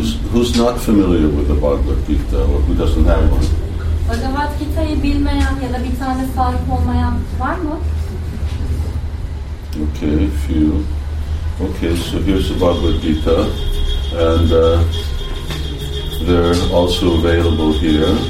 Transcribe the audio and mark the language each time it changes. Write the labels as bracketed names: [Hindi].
[English] who's not familiar with the Bhagavad Gita or who doesn't have one? [Turkish] Bhagavad Gita'yı bilmeyen ya da bir tane sahip olmayan var mı? [English] Okay, few. Okay, so here's the Bhagavad Gita, and they're also available here.